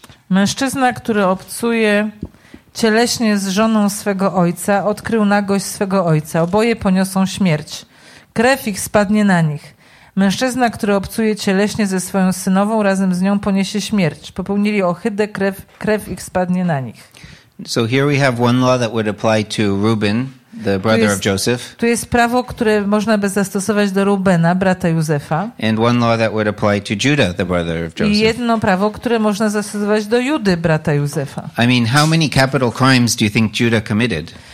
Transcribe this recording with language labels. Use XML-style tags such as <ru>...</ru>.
<pl>Mężczyzna, który obcuje cieleśnie z żoną swego ojca, odkrył nagość swego ojca. Oboje poniosą śmierć. Krew ich spadnie na nich. Mężczyzna, który obcuje cieleśnie ze swoją synową, razem z nią poniesie śmierć. Popełnili ohydę, krew ich spadnie na nich.</pl> <en>So here we have one law that would apply to Reuben, the brother of Joseph.</en> <pl>Tu jest prawo, które można by zastosować do Rubena, brata Józefa.</pl> <en>And one law that would apply to Judah, the brother of Joseph.</en> <pl>I jedno prawo, które można zastosować do Judy, brata Józefa.</pl> <en>I mean, how many capital crimes do you think Judah committed?</en>